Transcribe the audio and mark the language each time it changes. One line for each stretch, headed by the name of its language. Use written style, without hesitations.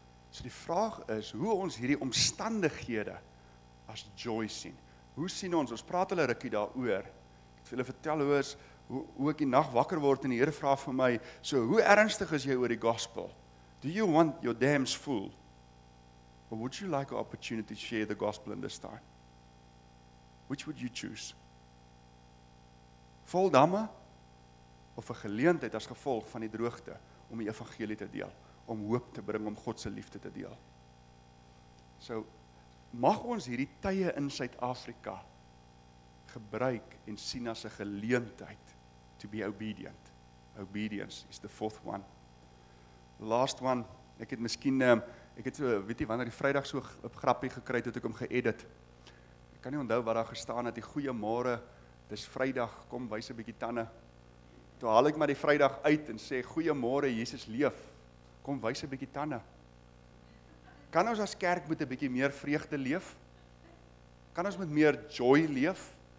Afrikaans: So die vraag is, hoe ons hierdie omstandighede as joy sien? Hoe sien ons? Ons praat hulle rukkie daaroor. Ek het vir hulle vertel hoe ek die nag wakker word en die Here vra vir my, so hoe ernstig is jy oor die gospel?
English: Do you want your dams full? Or would you like an opportunity to share the gospel in this time? Which would you choose?
Afrikaans: Vol damme of 'n geleentheid as gevolg van die droogte om die evangelie te deel, om hoop te bring, om God se liefde te deel. So mag ons hierdie tye in Suid-Afrika gebruik en sien as 'n geleentheid
English: to be obedient. Obedience is the fourth one. Last one,
Afrikaans: ek het wanneer die Vrydag so op grappie gekry het, het ek hom geedit. Ek kan nie onthou wat daar gestaan het, die goeie môre, dis Vrydag, kom wys 'n bietjie tande. Toe haal ek maar die Vrydag uit en sê, goeie môre, Jesus leef, kom wys 'n bietjie tande. Kan ons as kerk met 'n bietjie meer vreugde leef? Kan ons met meer joy leef?